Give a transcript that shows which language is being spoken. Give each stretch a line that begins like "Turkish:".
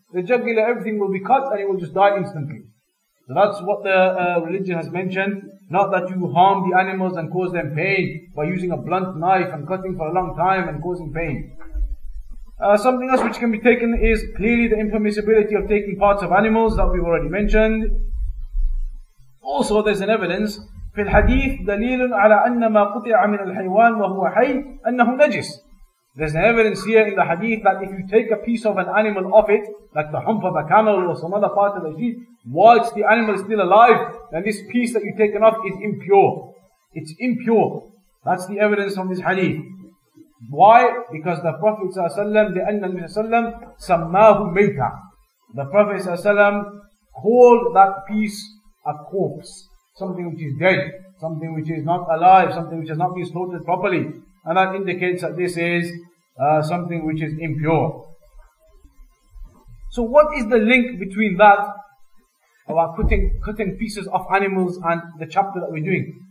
English: The jugular, everything will be cut and it will just die instantly. So that's what the religion has mentioned. Not that you harm the animals and cause them pain by using a blunt knife and cutting for a long time and causing pain. Something else which can be taken is clearly the impermissibility of taking parts of animals that we've already mentioned. Also, there's an evidence.
Arabic: في الحديث دليل على أن ما قطع من الحيوان وهو حي أنه نجس.
English: There's an evidence here in the hadith that if you take a piece of an animal off it, like the hump of a camel or some other part of the sheep, whilst the animal is still alive, then this piece that you've taken off is impure. It's impure. That's the evidence from this hadith. Why? Because the Prophet ﷺ,
Arabic: لأن النبي صلى الله عليه وسلم سماه ميتا.
English: The Prophet ﷺ called that piece a corpse. Something which is dead, something which is not alive, something which has not been slaughtered properly. And that indicates that this is something which is impure. So what is the link between that, about cutting pieces off animals, and the chapter that we're doing?